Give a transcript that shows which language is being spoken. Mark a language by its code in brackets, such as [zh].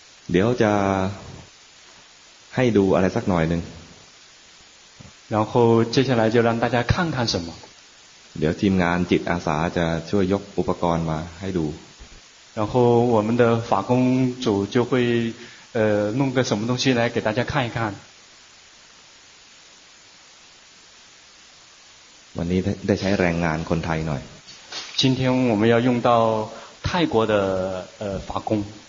[th] เดี๋ยวจะให้ดูอะไรสักหน่อยนึง [zh] 然后接下来就让大家看看什么 [th] เดี๋ยวทีมงานจิตอาสาจะช่วยยกอุปกรณ์มาให้ดู [zh] 然后我们的法工组就会弄个什么东西来给大家看一看 [th] วันนี้ได้ใช้แรงงานคนไทยหน่อย [zh] 今天我们要用到泰国的法工